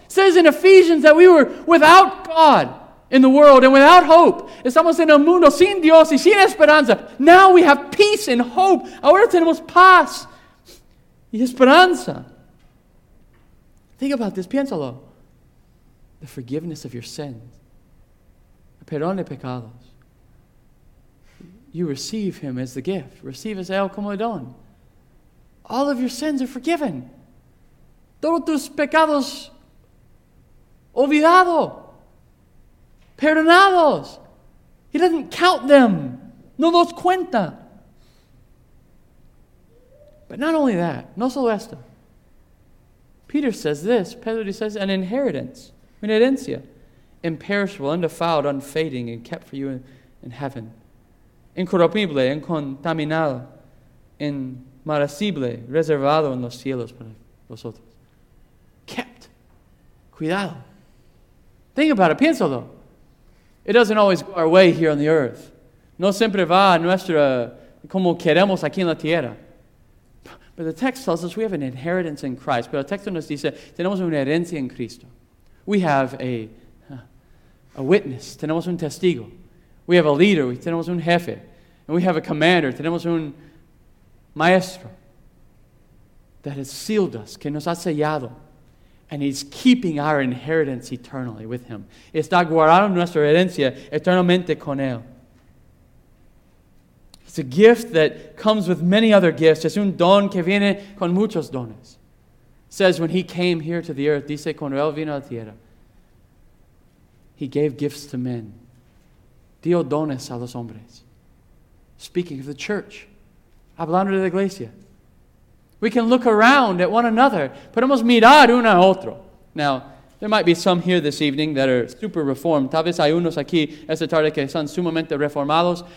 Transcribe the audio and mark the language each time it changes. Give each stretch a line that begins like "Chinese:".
English: It says in Ephesians that we were without God in the world and without hope.
Spanish: Estamos en el mundo sin Dios y sin esperanza.
English: Now we have peace and hope.
Spanish: Ahora tenemos paz y esperanza.
English: Think about this.
Spanish: Piénsalo.
English: The forgiveness of your sins.
Spanish: El perdón de pecados.
English: You receive him as the gift. Receive as
Spanish: él como don.
English: All of your sins are forgiven.
Spanish: Todos tus pecados olvidado. Perdonados.
English: He doesn't count them.
Spanish: No los cuenta.
English: But not only that.
Spanish: No solo esto.
English: Peter says this. Pedro says an inheritance.
Spanish: Una herencia.
English: Imperishable, undefiled, unfading, and kept for you in heaven.
Spanish: Incorruptible, incontaminado, in Marasible, reservado en los cielos para vosotros.
English: Kept. Cuidado. Think about it.
Spanish: Piénsalo.
English: It doesn't always go our way here on the earth.
Spanish: No siempre va a nuestra como queremos aquí en la tierra.
English: But the text tells us we have an inheritance in Christ.
Spanish: Pero el texto nos dice, tenemos una herencia en Cristo.
English: We have a witness.
Spanish: Tenemos un testigo.
English: We have a leader.
Spanish: Tenemos un jefe.
English: And we have a commander.
Spanish: Tenemos un Maestro,
English: that has sealed us,
Spanish: que nos ha sellado,
English: and he's keeping our inheritance eternally with him.
Spanish: Está guardando nuestra herencia eternamente con él.
English: It's a gift that comes with many other gifts.
Spanish: Es un don que viene con muchos dones.
English: It says when he came here to the earth,
Spanish: dice cuando él vino a la tierra,
English: he gave gifts to men.
Spanish: Dio dones a los hombres.
English: Speaking of the church.
Spanish: Hablando de la iglesia.
English: We can look around at one another.
Spanish: Podemos mirar uno a otro.
English: Now, there might be some here this evening that are super reformed.
Spanish: Tal vez hay unos aquí esta tarde que son sumamente reformados.